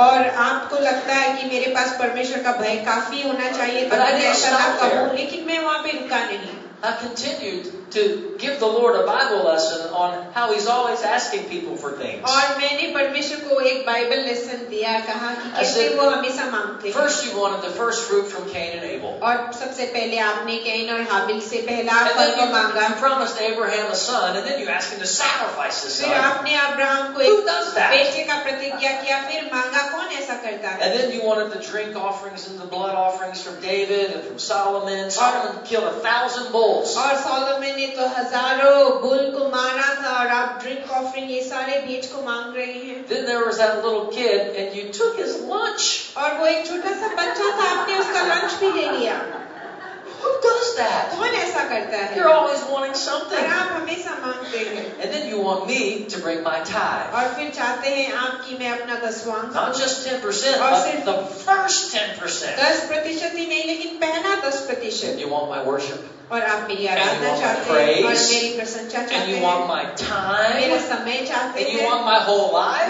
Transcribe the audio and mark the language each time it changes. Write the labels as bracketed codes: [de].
[hi] और आपको लगता है कि मेरे पास परमेश्वर का भय काफी होना चाहिए तो मैं ऐसा ना कहूँ, लेकिन मैं वहाँ पे रुका नहीं. [en] I continued to give the Lord a Bible lesson on how He's always asking people for things. [hi] और मैंने परमेश्वर को एक [en] Bible lesson [hi] दिया, कहा कि कैसे वो हमेशा मांगते हैं. [en] First, you wanted the first fruit from Cain and Abel. [hi] और सबसे पहले आपने कैन और हाबिल से पहला फल को मांगा. [en] You promised Abraham a son, and then you asked him to sacrifice his son. [hi] फिर आपने अब्राहम को एक बेटे का प्रतिज्ञा किया, फिर मांगा, कौन ऐसा करता है? [en] And then you wanted the drink offerings and the blood offerings from David and from Solomon. Solomon killed 1,000 bulls. [hi] और सोलोमन ने तो हजारों बुल को मारा था, और आप ड्रिंक ऑफरिंग ये सारे भेज को मांग रहे हैं. [en] Then there was that little kid and you took his lunch. [hi] और वो एक छोटा सा बच्चा था, आपने उसका लंच भी ले लिया. [en] Who does that? [hi] कौन ऐसा करता है? [en] You're always wanting something. [hi] और आप हमेशा मांगते हैं. [en] And then you want me to bring my tithe. [hi] और फिर चाहते हैं आपकी मैं अपना दसवां. [en] Not just 10%, but the first 10%. [hi] 10% ही नहीं, लेकिन पहला 10%. [en] And you want my worship. [hi] और आप मेरी आराधना चाहते हैं, और मेरी प्रशंसा चाहते हैं, मेरा समय चाहते हैं,